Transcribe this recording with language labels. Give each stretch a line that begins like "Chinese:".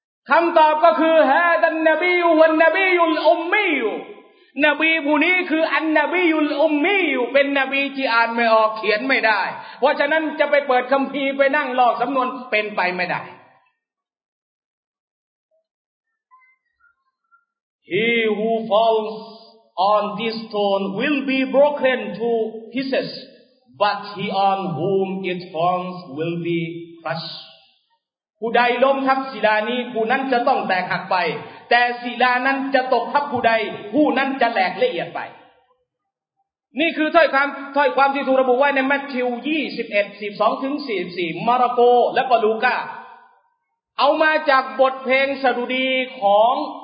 Thai: คำตอบก็คือฮะท่านนบีวันนบีอุลอุมมีนบีผู้นี้คืออันนบียุลอุมมีอยู่เป็นนบีที่อ่านไม่ออกเขียนไม่ได้เพราะฉะนั้นจะไปเปิดคัมภีร์ไปนั่งลอกสำนวนเป็นไปไม่ได้
English: He who falls on this stone will be broken to pieces But he on whom it falls will be crushed.
Thai: ผู้ใดล้มทับศิลานี้ผู้นั้นจะต้องแตกหักไปแต่ศิลานั้นจะตกทับผู้ใดผู้นั้นจะแหลกละเอียดไปนี่คือถ้อยความที่ถูกระบุไว้ในมัทธิว21 12ถึง44มาระโกและก็ลูกาเอามาจากบทเพลงสดุดีของ